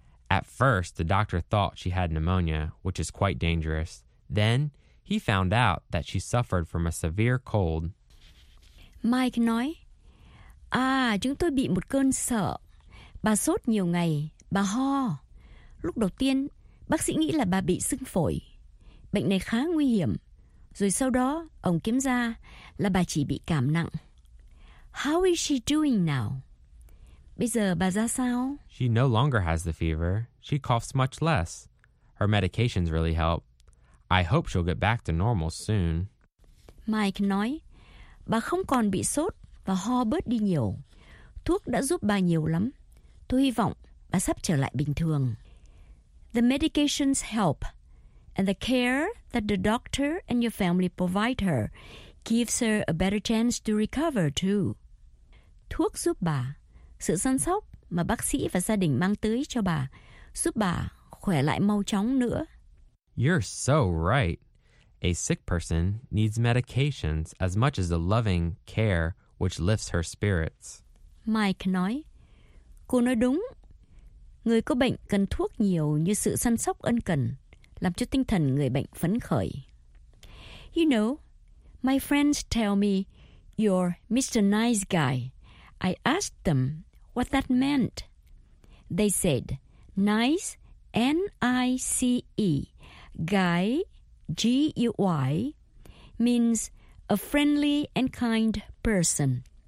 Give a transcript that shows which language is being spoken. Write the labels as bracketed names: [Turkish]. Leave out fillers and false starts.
[English] At first, the doctor thought she had pneumonia, which is quite dangerous. Then, he found out that she suffered from a severe cold. [Vietnamese] Mike nói, À, chúng tôi bị một cơn sợ. Bà sốt nhiều ngày, bà ho. Lúc đầu tiên, bác sĩ nghĩ là bà bị sưng phổi. Bệnh này khá nguy hiểm. Rồi sau đó, ông kiểm tra là bà chỉ bị cảm nặng. [English] How is she doing now? [Vietnamese] Bây giờ bà ra sao? [English] She no longer has the fever. She coughs much less. Her medications really help. I hope she'll get back to normal soon. [Vietnamese] Mike nói, bà không còn bị sốt và ho bớt đi nhiều. Thuốc đã giúp bà nhiều lắm. Tôi hy vọng bà sắp trở lại bình thường. [English] The medications help, and the care that the doctor and your family provide her gives her a better chance to recover, too. [Vietnamese] Thuốc giúp bà. Sự săn sóc mà bác sĩ và gia đình mang tới cho bà giúp bà khỏe lại mau chóng nữa. [English] You're so right. A sick person needs medications as much as the loving care which lifts her spirits. [Vietnamese] Mike nói, cô nói đúng. Người có bệnh cần thuốc nhiều như sự săn sóc ân cần, làm cho tinh thần người bệnh phấn khởi. [English] You know, my friends tell me you're Mr. Nice Guy. I asked them what that meant. They said nice, N-I-C-E, guy, G-U-Y, means a friendly and kind person.